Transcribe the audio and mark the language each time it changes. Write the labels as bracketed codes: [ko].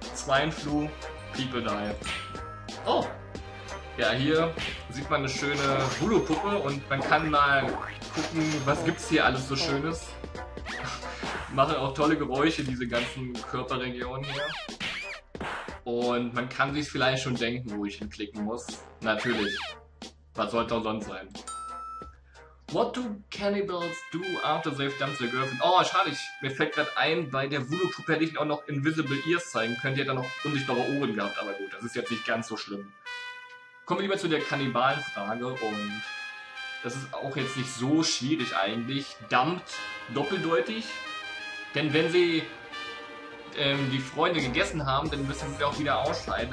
[en] Swine flew, people die. [de] Oh! Ja, hier sieht man eine schöne Voodoo-Puppe und man kann mal gucken, was gibt's hier alles so Schönes. Machen auch tolle Geräusche, diese ganzen Körperregionen hier. Und man kann sich vielleicht schon denken, wo ich hinklicken muss. Natürlich. Was sollte auch sonst sein? [en] What do cannibals do after they've done their girlfriend? [de] Oh, schade, mir fällt gerade ein, bei der Voodoo-Puppe hätte ich auch noch Invisible Ears zeigen können. Die hätte dann noch unsichtbare Ohren gehabt, aber gut, das ist jetzt nicht ganz so schlimm. Kommen wir lieber zu der Kannibalenfrage und das ist auch jetzt nicht so schwierig eigentlich. Dumped doppeldeutig? Denn wenn sie die Freunde gegessen haben, dann müssen sie auch wieder ausscheiden.